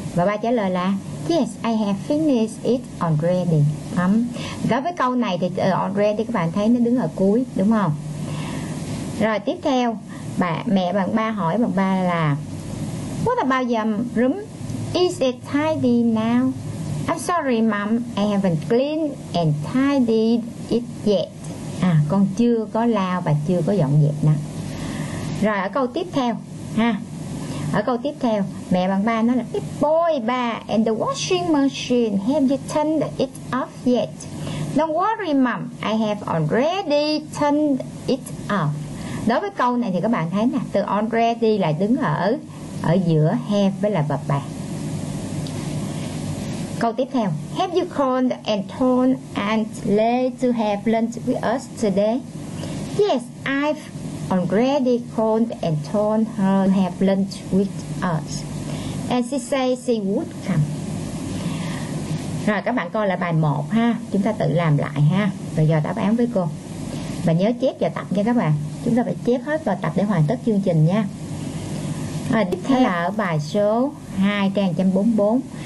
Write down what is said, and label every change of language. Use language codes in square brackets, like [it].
[vi] Và ba trả lời là [en] yes, I have finished it already. [vi] Đối với câu này thì already các bạn thấy nó đứng ở cuối, đúng không? Rồi tiếp theo, mẹ bạn ba hỏi bạn ba là [en] what about your room? Is it tidy now? I'm sorry mom, I haven't cleaned and tidied it yet. [vi] Con chưa có lau và chưa có dọn dẹp nè. Rồi ở câu tiếp theo ha. Ở câu tiếp theo, mẹ bạn ba nói là [en] boy ba, and the washing machine, have you turned it off yet? Don't worry mom, I have already turned it off. [vi] Đối với câu này thì các bạn thấy nè, từ already lại đứng ở giữa have với là verb ba. Câu tiếp theo, [en] have you called and told Aunt Lee to have lunch with us today? Yes, I've already called and told her to have lunch with us. And she said she would come. [vi] Rồi các bạn coi lại bài 1 ha, chúng ta tự làm lại ha, rồi dò đáp án với cô. Và nhớ chép và tập nha các bạn. Chúng ta phải chép hết và tập để hoàn tất chương trình nha. Rồi tiếp theo là ở bài số 2 trang 144.